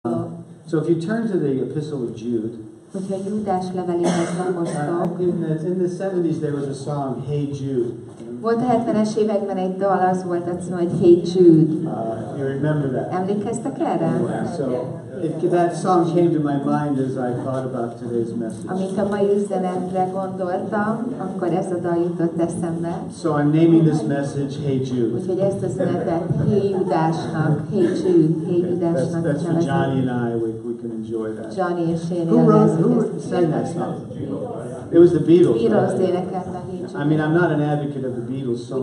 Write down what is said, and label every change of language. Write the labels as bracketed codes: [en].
[en] So if you turn to the Epistle of Jude, in the 70s there was a song, Hey Jude. [hu] Volt a 70-es években egy dal, az volt a cím, hogy Hey Jude. [en] You remember that? [hu] Emlékeztek erre? [en] Yeah, so if that song came to my mind as I thought about today's message. [hu] Amint a mai üzenetre gondoltam, akkor ez a dal jutott eszembe. [en] So I'm naming this message Hey Jude. [hu] Úgyhogy ezt az üzenetet Hey Judásnak, Hey Jude, Hey Judásnak [en] That's for Johnny and I, we can enjoy that. [hu] Johnny és én. [en] Who sang that song? It was the Beatles. I mean, I'm not an advocate of the Beatles so